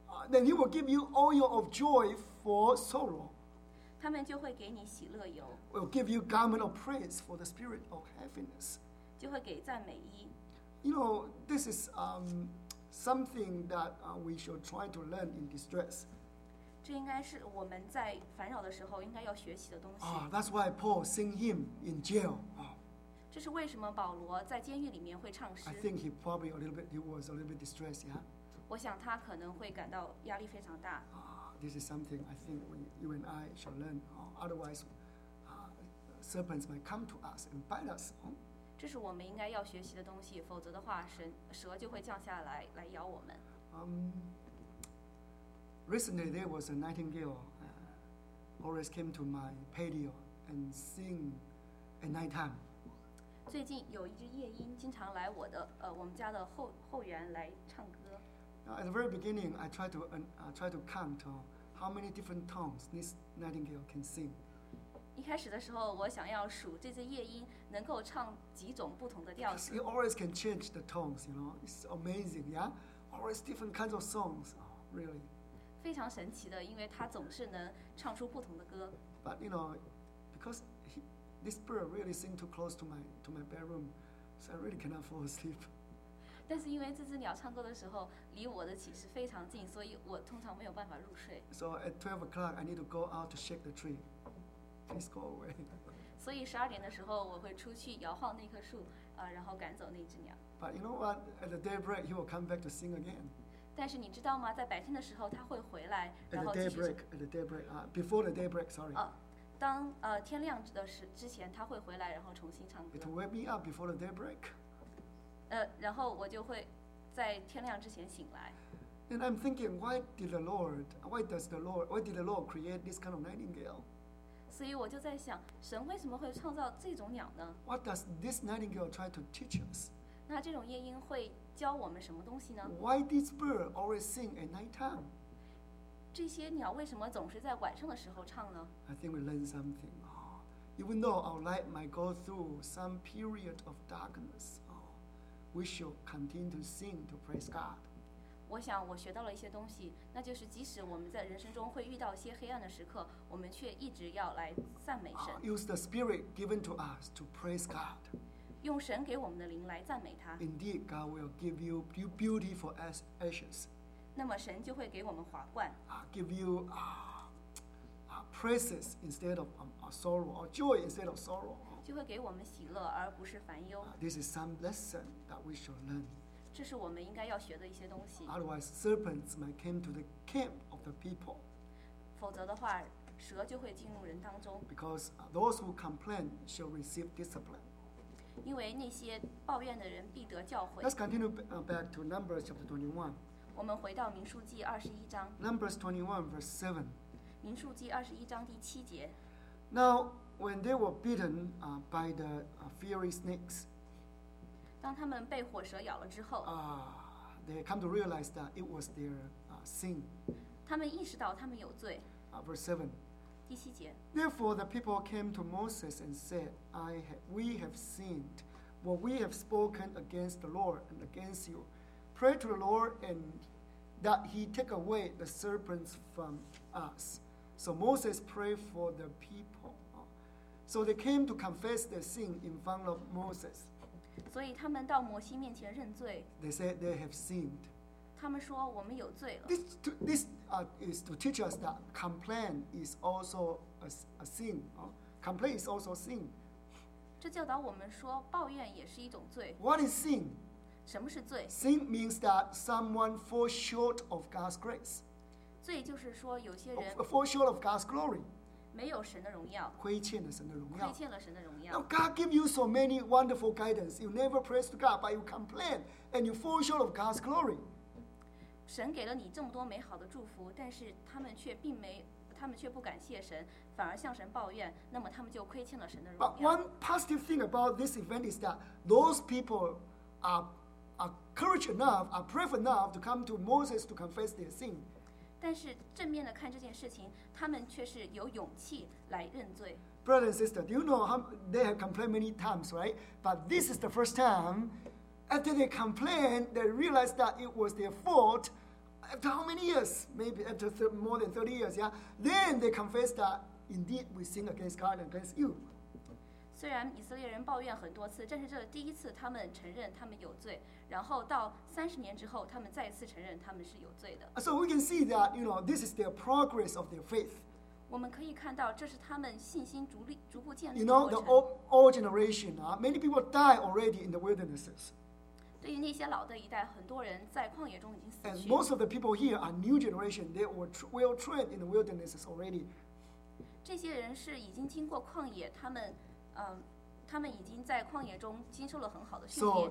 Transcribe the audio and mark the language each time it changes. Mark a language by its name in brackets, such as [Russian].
[English] Then he will give you oil of joy for sorrow. [Chinese] 他们就会给你喜乐油。 [English] Will give you garment of praise for the spirit of heaviness. [Chinese] 就会给赞美衣。 [English] You know, this is something that we should try to learn in distress. [Chinese] 这应该是我们在烦扰的时候应该要学习的东西。 [English] That's why Paul sing hymn in jail. [Chinese] 这是为什么保罗在监狱里面会唱诗。 [English] I think he probably was a little bit distressed, yeah? [Chinese] 我想他可能会感到压力非常大。 [English] This is something I think you and I should learn. Otherwise, serpents might come to us and bite us. [Chinese] 这是我们应该要学习的东西，否则的话，蛇就会降下来来咬我们。 [English] Recently there was a nightingale, always came to my patio and sing at nighttime. [Chinese] 最近有一只夜莺经常来我的我们家的后园来唱歌。 [English] Now, at the very beginning, I tried to count how many different tones this nightingale can sing. [Chinese] 一开始的时候，我想要数这只夜莺能够唱几种不同的调子。 [English] It always can change the tones, you know. It's amazing, yeah. Always different kinds of songs, really. [Chinese] 非常神奇的，因为它总是能唱出不同的歌。 [English] But you know, because this bird really sing too close to my bedroom, so I really cannot fall asleep. [Chinese] 但是因为这只鸟唱歌的时候离我的寝室非常近，所以我通常没有办法入睡。 [English] So at 12 o'clock, I need to go out to shake the tree. Please go away. [Chinese] 所以十二点的时候，我会出去摇晃那棵树，然后赶走那只鸟。 [English] But you know what? At the daybreak, he will come back to sing again. [Chinese] 但是你知道吗？在白天的时候，他会回来，然后继续唱。 [English] At the daybreak, before the daybreak, sorry. [Chinese] 天亮之前，他会回来，然后重新唱歌。 [English] To wake me up before the daybreak. [Chinese] 然后我就会在天亮之前醒来。 [English] And I'm thinking, why did the Lord create this kind of nightingale? [Chinese] 所以我就在想，神为什么会创造这种鸟呢？ [English] What does this nightingale try to teach us? [Chinese] 那这种夜莺会教我们什么东西呢？ [English] Why this bird always sing at night time? [Chinese] 这些鸟为什么总是在晚上的时候唱呢？ [English] I think we learn something. Even though our light might go through some period of darkness, we should continue to sing to praise God. [Chinese] 我想我学到了一些东西，那就是即使我们在人生中会遇到一些黑暗的时刻，我们却一直要来赞美神。 [English] Use the spirit given to us to praise God. [Chinese] 用神给我们的灵来赞美他。 [English] Indeed, God will give you beauty for ashes. [Chinese] 那么神就会给我们华冠。 [English] Give you praises instead of sorrow, or joy instead of sorrow. [Chinese] 就会给我们喜乐而不是烦忧。 [English] This is some lesson that we should learn. [Chinese] 这是我们应该要学的一些东西。 [English] Otherwise, serpents might come to the camp of the people. [Chinese] 否则的话，蛇就会进入人当中。 [English] Because those who complain shall receive discipline. [Chinese] 因为那些抱怨的人必得教诲。 [English] Let's continue back to Numbers chapter 21. [Chinese] 我们回到民数记二十一章。 [English] Numbers 21 verse 7. [Chinese] 民数记二十一章第七节。 [English] Now, when they were bitten by the fiery snakes. [Chinese] 当他们被火蛇咬了之后 [English] they come to realize that it was their sin. [Chinese] 他们意识到他们有罪。 [English] Verse 7. [Chinese] 第七节。 [English] Therefore the people came to Moses and said, we have sinned, for we have spoken against the Lord and against you. Pray to the Lord and that he take away the serpents from us. So Moses prayed for the people. So they came to confess their sin in front of Moses. [Chinese] 所以他们到摩西面前认罪。 [English] They said they have sinned. [Chinese] 他们说我们有罪了。 [English] This is to teach us that complaint is also a sin. Complaint is also sin. [Chinese] 这教导我们说抱怨也是一种罪。 [English] What is sin? [Chinese] 什么是罪? [English] Sin means that someone falls short of God's grace. [Chinese] 罪就是说有些人 [English] falls short of God's glory. [Chinese] 没有神的荣耀，亏欠了神的荣耀，亏欠了神的荣耀。 [English] Now God give you so many wonderful guidance. You never pray to God, but you complain, and you fall short of God's glory. [Chinese] 神给了你这么多美好的祝福，但是他们却并没，他们却不感谢神，反而向神抱怨，那么他们就亏欠了神的荣耀。 [English] But one positive thing about this event is that those people are courage enough, are brave enough to come to Moses to confess their sin. [Chinese] 但是正面的看这件事情，他们却是有勇气来认罪。 [English] Brother and sister, do you know how they have complained many times, right? But this is the first time after they complained, they realized that it was their fault. After how many years? Maybe after more than 30 years, yeah? Then they confessed that indeed we sin against God and against you. [Chinese] 虽然以色列人抱怨很多次，但是这第一次他们承认他们有罪。然后到三十年之后，他们再次承认他们是有罪的。 [English] So we can see that, you know, this is their progress of their faith. [Chinese] 我们可以看到，这是他们信心逐步建立的过程。 [English] You know, the old generation, many people die already in the wildernesses. [Chinese] 对于那些老的一代，很多人在旷野中已经死去。 [English] And most of the people here are new generation. They were well trained in the wildernesses already. [Chinese] 这些人是已经经过旷野，他们，他们已经在旷野中经受了很好的训练。